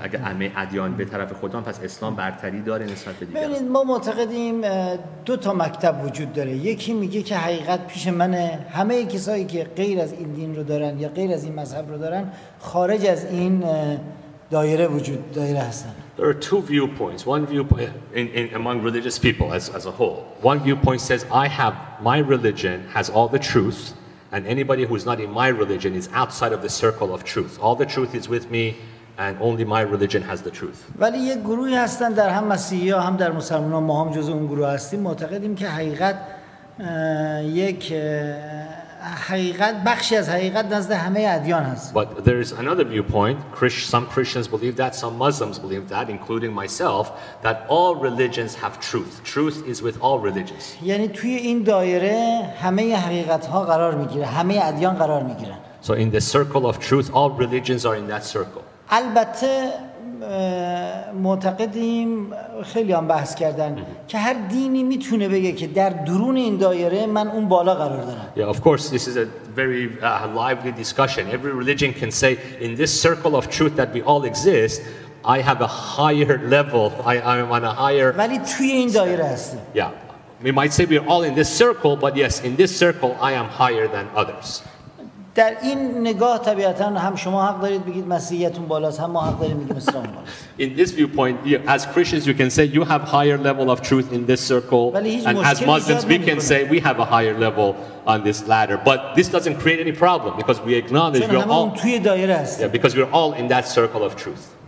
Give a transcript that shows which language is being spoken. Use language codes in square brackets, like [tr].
[fa] اگه همه ادیان به طرف خدا، پس اسلام برتری داره نسبت به دیگران؟ ببینید ما معتقدیم دو تا مکتب وجود داره. یکی میگه که حقیقت پیش منه، همه کسایی که غیر از این دین رو دارن یا غیر از این مذهب رو دارن خارج از این دایره وجود دایره هستن. [en] There are two viewpoints. One viewpoint in among religious people as a whole. One viewpoint says I have my religion has all the truth. And anybody who is not in my religion is outside of the circle of truth. All the truth is with me, and only my religion has the truth. [fa] ولی یه گروهی هستن در هم مسیحی‌ها هم در مسلمان‌ها، ما هم جزء اون گروه هستیم، معتقدیم که حقیقت یک حقیقت بخشی از حقیقت نزد همه ادیان هست. [en] But there is another viewpoint. Some Christians believe that, some Muslims believe that, including myself, that all religions have truth. Truth is with all religions. [fa] یعنی توی این دایره همه حقیقت‌ها قرار می‌گیره، همه ادیان قرار می‌گیرن. [en] So in the circle of truth, all religions are in that circle. [fa] البته معتقدیم خیلی هم بحث کردن که هر دینی میتونه بگه که در درون این دایره من اون بالا قرار دارم. [en] Yeah, of course this is a very lively discussion. Every religion can say in this circle of truth that we all exist, I have a higher level. I'm on a higher. [fa] ولی توی این دایره هست. [en] Yeah. We might say we're all in this circle, but yes, in this circle I am higher than others. [fa] در این نگاه طبیعتاً هم شما حق دارید بگید مسیحیتون بالاست، هم ما حق داریم بگیم اسلام بالاست. [en] In this viewpoint, as Christians, you can say you have higher level of truth in this circle, and as Muslims, we can say we have a higher level on this ladder. But this doesn't create any problem because we acknowledge we're all [fa] توی دایره است. [en] Yeah, because we're all in that circle of truth.